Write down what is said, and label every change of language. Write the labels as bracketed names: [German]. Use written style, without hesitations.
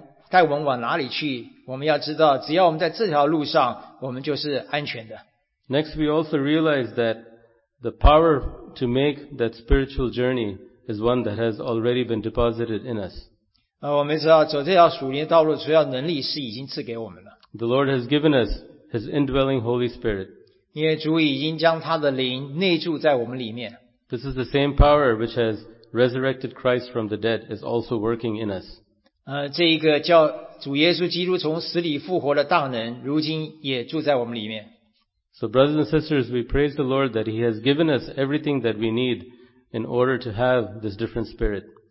[Chinese] 不论这条道路带我们往哪里去, 我们要知道只要我们在这条路上, 我们就是安全的。 [English] Next, we also realize that the power to make that spiritual journey is one that has already been deposited in us. [Chinese] 我们知道走这条属灵的道路主要能力是已经赐给我们了。 [English] The Lord has given us His indwelling Holy Spirit. [Chinese] 因为主已经将他的灵内住在我们里面。 [English] This is the same power which has resurrected Christ from the dead is also working in us. [Chinese] 这一个叫主耶稣基督从死里复活的大能，如今也住在我们里面。 [English] So brothers and sisters, we praise the Lord that He has given us everything that we need in order to have this different spirit.